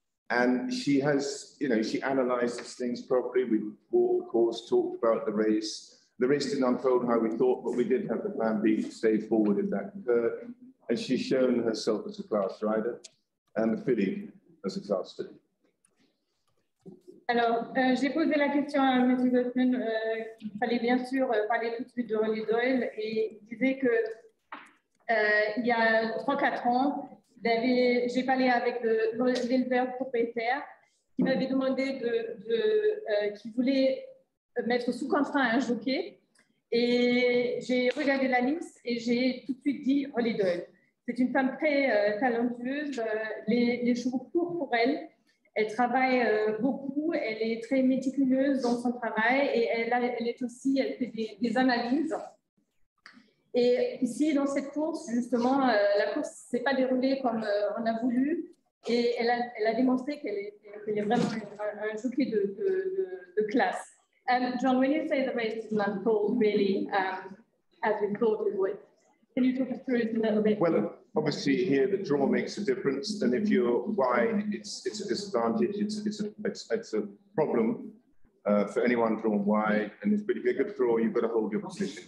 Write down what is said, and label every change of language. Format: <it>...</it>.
<en>And she has, you know, she analyzes things properly. We walked the course, talked about the race. The race didn't unfold how we thought, but we did have the plan B to stay forward if that occurred. And she's shown herself as a class rider and the filly as a class filly.</en> <fr>Alors, j'ai posé la question à M. Goldman, qu'il fallait bien sûr parler tout de suite de Ollie Doyle, et il disait que il y a 3-4 ans, j'ai parlé avec l'éleveur propriétaire qui m'avait demandé qui voulait mettre sous contrat un jockey, et j'ai regardé la liste et j'ai tout de suite dit Ollie Doyle. C'est une femme très talentueuse, les chevaux courent pour elle. Elle travaille beaucoup, elle est très méticuleuse dans son travail et elle fait des analyses. Et ici, dans cette course, justement, la course ne s'est pas déroulée comme on a voulu et elle a démontré qu'elle est vraiment un jockey de classe.</fr> <en>John, when you say the race is not called really as we thought it would, can you talk us through it a little bit? Well, obviously here the draw makes a difference, and if you're wide, it's a disadvantage, it's a problem for anyone drawn wide, and if you're a good draw, you've got to hold your position.</en>